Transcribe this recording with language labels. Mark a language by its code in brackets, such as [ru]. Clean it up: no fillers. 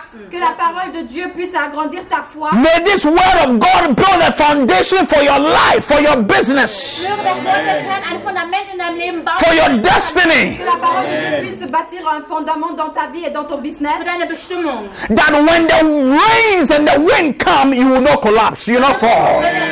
[fr] Que la parole de Dieu puisse agrandir ta foi. [en] May this word of God build a foundation for your life, for your business. For your destiny. [fr] Que la parole de Dieu puisse bâtir un fondement dans ta vie et dans ton business. Pour une bestimmung. [en] That when the rains and the wind come, you will not collapse, you will not fall.